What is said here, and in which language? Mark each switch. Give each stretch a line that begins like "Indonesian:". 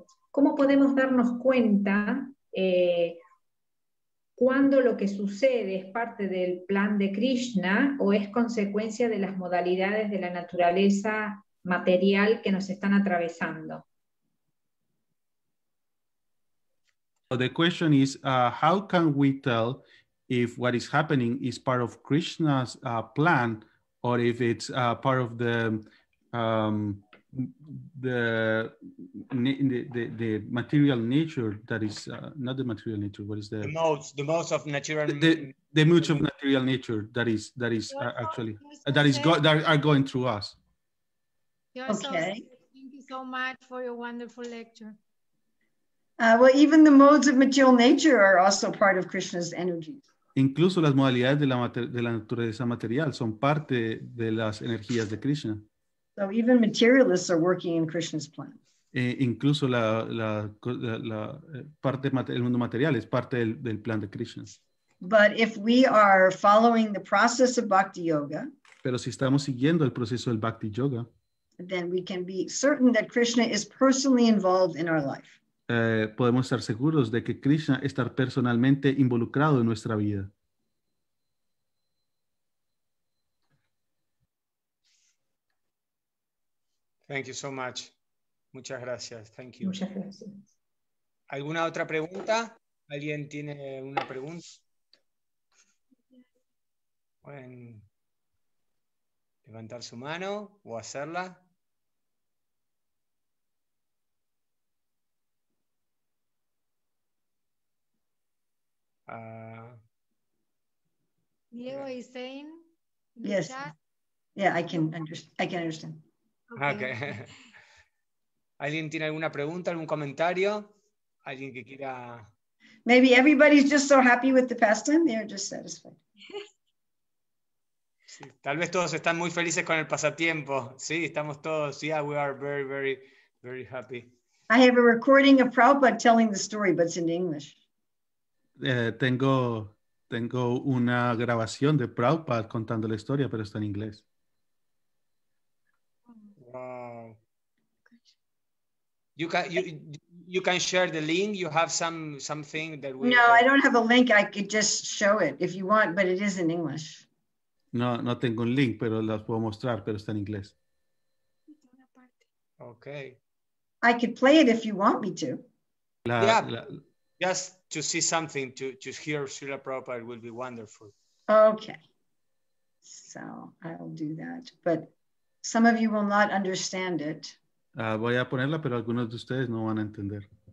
Spanish: ¿Cómo podemos darnos cuenta cuando lo que sucede es parte del plan de Krishna o es consecuencia de las modalidades de la naturaleza material que nos están atravesando?
English: So the question is, how can we tell if what is happening is part of Krishna's plan or if it's part of the material nature that is not the material nature, what is the modes of natural the modes of material nature that is actually are going through us. Okay. Thank you so much for your wonderful lecture. Well, even the modes of material nature are also part of Krishna's energies.
Spanish: Incluso las modalidades de la naturaleza material son parte de las energías de Krishna.
English: So even materialists are working in Krishna's plan.
Spanish: Incluso la parte del mundo material es parte del plan de Krishna.
English: But if we are following the process of Bhakti Yoga,
Spanish: pero si estamos siguiendo el proceso del Bhakti Yoga,
English: then we can be certain that Krishna is personally involved in our life.
Spanish: Podemos estar seguros de que Krishna está personalmente involucrado en nuestra vida.
English: Thank you so much.
Spanish: Muchas gracias.
English: Thank you.
Spanish: Muchas gracias. ¿Alguna otra pregunta? ¿Alguien tiene una pregunta? Pueden levantar su mano o hacerla.
English: Diego is saying, yes. Yeah, I can understand. Okay.
Spanish: ¿Alguien tiene alguna pregunta, algún comentario? ¿Alguien que quiera?
English: Maybe everybody's just so happy with the pastime, they're just satisfied.
Spanish: Sí, tal vez todos están muy felices con el pasatiempo. Sí, estamos todos.
English: Yeah, we are very, very, very happy. I have a recording of Prabhupada telling the story, but it's in English.
Spanish: Tengo una grabación de Prabhupada contando la historia, pero está en inglés.
English: Wow. You can share the link. You have something that we. No, I don't have a link. I could just show it if you want, but it is in English.
Spanish: No tengo un link, pero las puedo mostrar, pero está en inglés.
English: Okay. I could play it if you want me to. Just to see something, to hear Srila Prabhupada will be wonderful. Okay. So I'll do that. But some of you will not understand it.
Spanish: Voy a ponerla, pero algunos de ustedes no van a entender.